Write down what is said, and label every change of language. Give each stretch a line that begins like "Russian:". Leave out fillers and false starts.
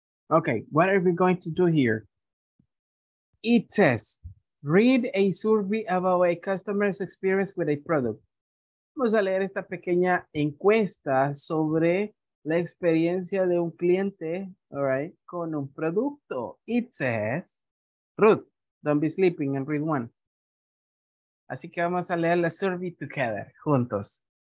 English: Okay, what are we going to do here? It says, read a survey about a customer's experience with a product.
Spanish: Vamos a leer esta pequeña encuesta sobre la experiencia de un cliente,
English: all right,
Spanish: con un producto.
English: It says, Ruth, don't be sleeping and read one.
Spanish: Así que vamos a leer la survey
English: together,
Spanish: juntos.